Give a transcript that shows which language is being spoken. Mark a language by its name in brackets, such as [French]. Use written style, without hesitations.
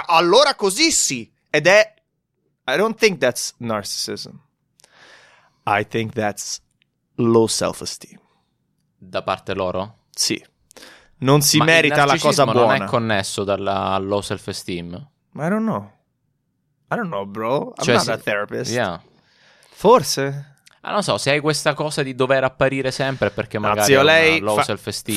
[Italian] Allora così sì. Ed è [English] I don't think that's narcissism. I think that's low self-esteem. [Italian] Da parte loro? Sì. Non si ma merita la cosa buona. Ma non è connesso dalla low self-esteem? Ma [English] I don't know. I don't know, bro. I'm not a therapist. Yeah. [Italian] Forse. Ah, non so, se hai questa cosa di dover apparire sempre perché magari grazie, lei, ha low self-esteem.